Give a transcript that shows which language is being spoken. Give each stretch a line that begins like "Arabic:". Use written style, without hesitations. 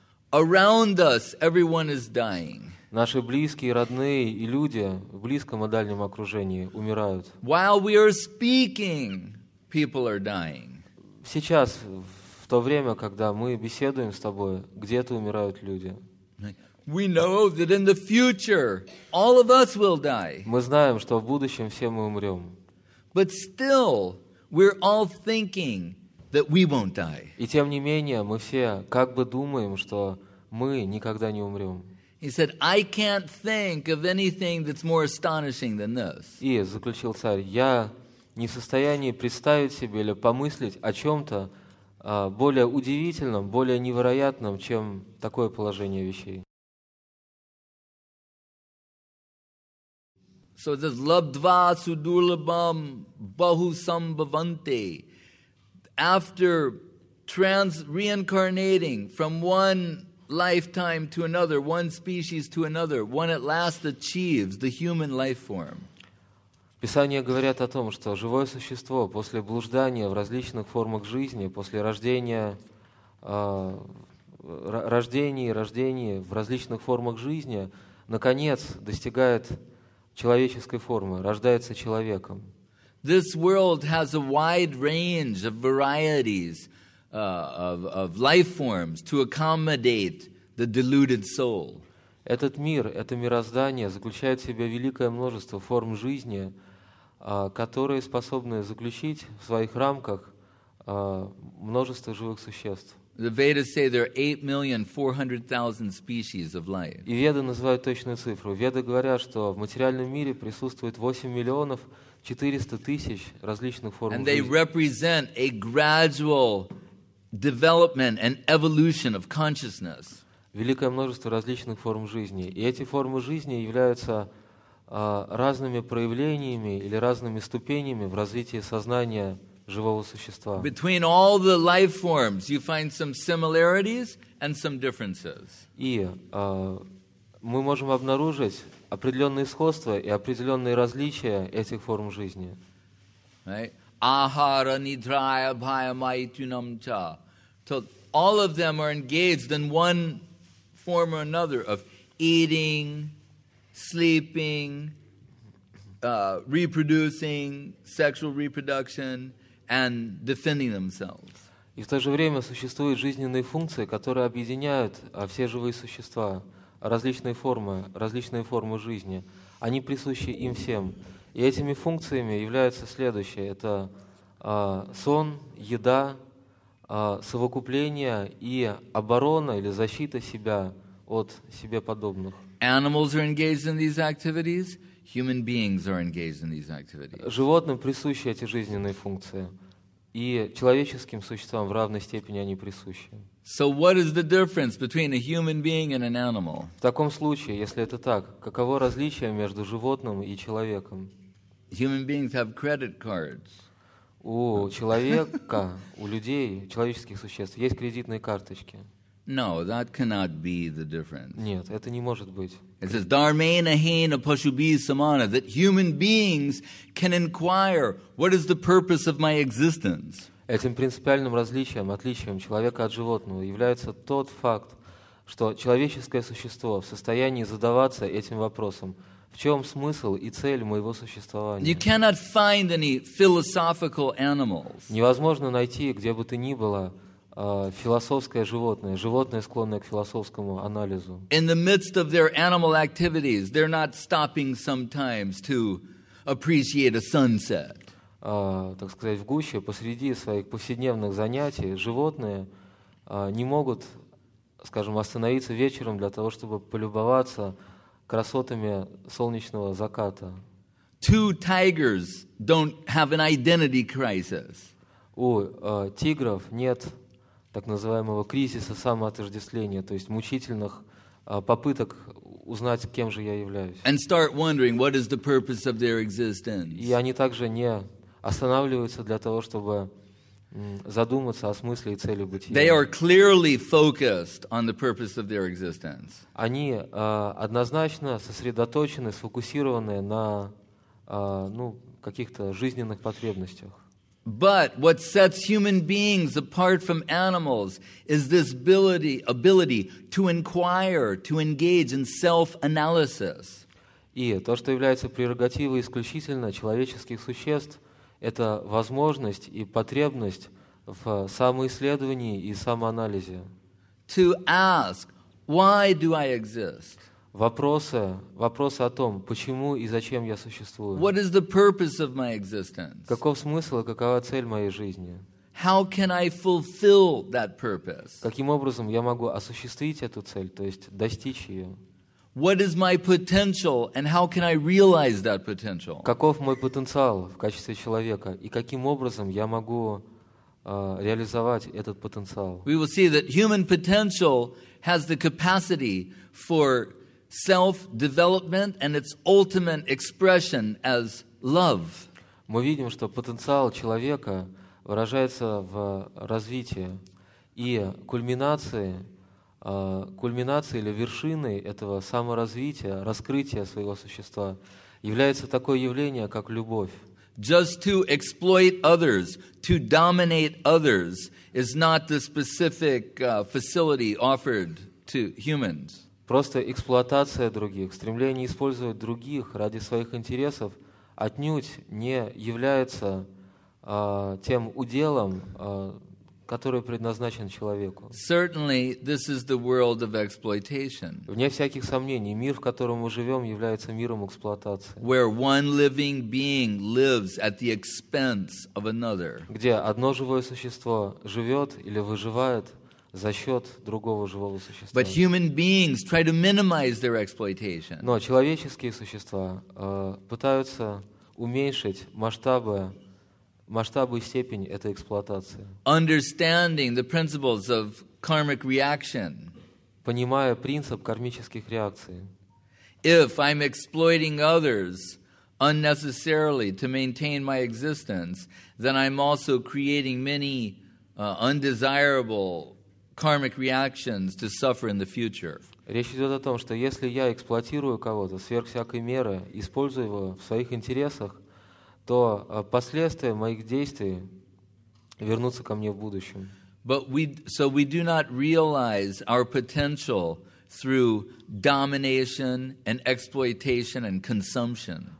English: Around us everyone is dying.
Russian: Наши близкие, родные и люди в близком и дальнем окружении умирают.
English: While we are speaking, people are dying.
Russian: Сейчас, в то время, когда мы беседуем с тобой, где-то умирают люди.
English: We know that in the future all of us will die.
Russian: Мы знаем, что в будущем все мы умрем.
English: But still, we're all thinking that we won't die.
Russian: И тем не менее, мы все как бы думаем, что мы никогда не умрем.
English: He said, "I can't think of anything that's more astonishing than this."
Russian: И заключил царь, я не в состоянии представить себе или помыслить о чем-то более удивительном, более невероятном, чем такое положение вещей.
English: So it says,
Sanskrit: "Labdva sudurlabham bahu sambhavante."
English: After reincarnating from one lifetime to another, one species to another, one at last achieves the human life form.
Russian: Писания говорят о том, что живое существо после блуждания в различных формах жизни, после рождения в различных формах жизни, наконец достигает человеческой формы, рождается человеком.
English: This world has a wide range of varieties of life forms to accommodate the deluded soul.
Russian: Этот мир, это мироздание заключает в себе великое множество форм жизни, которые способны заключить в своих рамках множество живых существ.
English: The Vedas say there are 8,400,000 species of life.
Russian: И Веды называют точную цифру. Веды говорят, что в материальном мире присутствует 8,400,000 различных форм жизни.
English: And they represent a gradual development and evolution of consciousness.
Russian: Великое множество различных форм жизни. И эти формы жизни являются разными проявлениями или разными ступенями в развитии сознания живого существа.
English: Between all the life forms, you find some similarities and some differences.
Russian: И мы можем обнаружить определенные сходства и определенные различия этих форм жизни.
Sanskrit: Ахара, нидрая, бхая, майтюнам ча.
English: So all of them are engaged in one form or another of eating, sleeping, reproducing, sexual reproduction, and defending themselves.
Russian: И в то же время существуют жизненные функции, которые объединяют все живые существа. Различные формы жизни, они присущи им всем. И этими функциями являются следующие. Это сон, еда, совокупление и оборона или защита себя от себе подобных.
English: Animals are engaged in these activities. Human beings are engaged in these activities.
Russian: Животным присущи эти жизненные функции. И человеческим существам в равной степени они присущи.
English: So what is the difference between a human being and an animal?
Russian: В таком случае, если это так, каково различие между животным и человеком?
English: Human beings have credit cards.
Russian: У человека, у людей, человеческих существ есть кредитные карточки.
English: No, that cannot be the difference.
Russian: Нет, это не может быть.
English: It says,
Sanskrit: Dharmena hena pashubhi samana,
English: that human beings can inquire, what is the purpose of my existence?
Russian: Этим принципиальным различием, отличием человека от животного является тот факт, что человеческое существо в состоянии задаваться этим вопросом, В чем смысл и цель моего существования?
English: You cannot find any philosophical animals.
Russian: Невозможно найти, где бы то ни было, философское животное, животное, склонное к философскому анализу.
English: In the midst of their animal activities, they're not stopping sometimes to appreciate a sunset.
Russian: Так сказать, в гуще, посреди своих повседневных занятий, животные не могут, скажем, остановиться вечером для того, чтобы полюбоваться красотами солнечного заката.
English: Two tigers don't have an identity crisis.
Russian: У тигров нет так называемого кризиса самоотождествления, то есть мучительных попыток узнать, кем же я являюсь.
English: And start wondering what is the purpose of their existence.
Russian: И они также не останавливаются для того, чтобы задуматься о смысле и цели бытия.
English: They are clearly focused on the purpose of their existence.
Russian: Они однозначно сосредоточены, сфокусированы на каких-то жизненных потребностях.
English: But what sets human beings apart from animals is this ability to inquire, to engage in self-analysis.
Russian: И то, что является прерогативой исключительно человеческих существ, это возможность и потребность в самоисследовании и самоанализе.
English: To ask, why do I exist?
Russian: Вопросы о том, почему и зачем я существую.
English: What is the purpose of my existence?
Russian: Каков смысл и какова цель моей жизни?
English: How can I fulfill that purpose?
Russian: Каким образом я могу осуществить эту цель, то есть достичь ее?
English: What is my potential and how can I realize that potential?
Russian: Каков мой потенциал в качестве человека и каким образом я могу реализовать этот потенциал?
English: We will see that human potential has the capacity for self-development and its ultimate expression as love.
Russian: Мы видим, что потенциал человека выражается в развитии и кульминацией или вершиной этого саморазвития, раскрытия своего существа, является такое явление, как любовь.
English: Just to exploit others, to dominate others, is not the specific facility offered to humans.
Russian: Просто эксплуатация других, стремление использовать других ради своих интересов, отнюдь не является тем уделом, который предназначен человеку.
English: Certainly, this is the world of exploitation.
Russian: Вне всяких сомнений, мир, в котором мы живем, является миром эксплуатации.
English: Where one living being lives at the expense of another.
Russian: Где одно живое существо живет или выживает за счет другого живого существа.
English: But human beings try to minimize their exploitation.
Russian: Но человеческие существа пытаются уменьшить масштабы и степень этой эксплуатации.
English: Understanding the principles of karmic reaction.
Russian: Понимая принцип кармических реакций.
English: If I'm exploiting others unnecessarily to maintain my existence, then I'm also creating many undesirable karmic reactions to suffer in the future.
Russian: Речь идет о том, что если я эксплуатирую кого-то сверх всякой меры, используя его в своих интересах, то последствия моих действий вернутся ко мне в будущем.
English: So we do not realize our potential through domination and exploitation and consumption.